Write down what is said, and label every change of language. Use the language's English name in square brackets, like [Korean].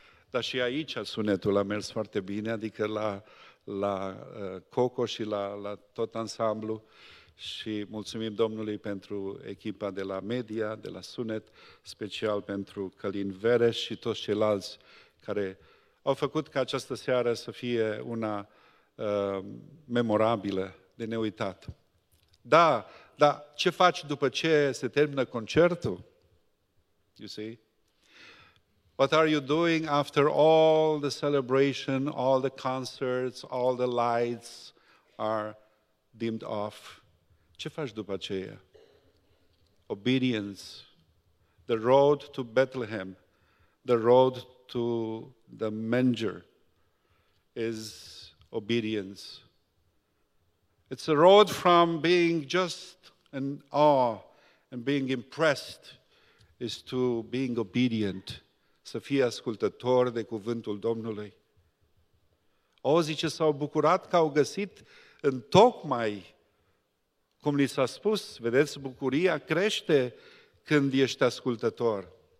[Romanian] Dar și aici sunetul a mers foarte bine, adică la Coco și la tot ansamblu și mulțumim Domnului pentru echipa de la Media, de la Sunet, special pentru Călin Vereș și toți ceilalți care au făcut ca această seară să fie una memorabilă, de neuitat. Da, dar ce faci după ce se termină concertul? [English] You see? What are you doing after all the celebration, all the concerts, all the lights are dimmed off? [Romanian] Ce faci după aceea? Obedience. [English] The road to Bethlehem, the road to the manger is obedience. It's a road from being just in awe and being impressed is to being obedient. [Romanian] Să fie ascultător de cuvântul Domnului. O, zice, s-au bucurat că au găsit în tocmai cum li s-a spus, vedeți, bucuria crește când ești ascultător.